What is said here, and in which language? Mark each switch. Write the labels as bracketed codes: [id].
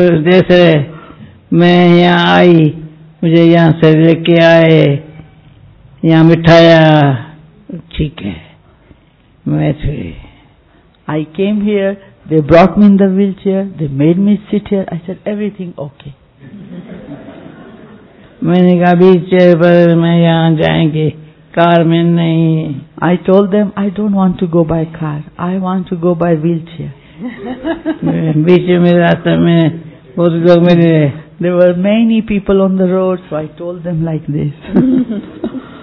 [hi] जैसे मैं यहाँ आई मुझे यहाँ से लेके आए यहाँ बिठाया ठीक है मैं फिर. [en] I came here they brought me in the wheelchair they made me sit here. I said everything okay. [hi] मैंने कहा बीच चेयर पर मैं यहाँ जाएंगे कार में नहीं. [en] I told them I don't want to go by car I want to go by wheelchair. [hi] बीच में रास्ते में बहुत लोग मेरे [en] There were many people on the road so I told them like this.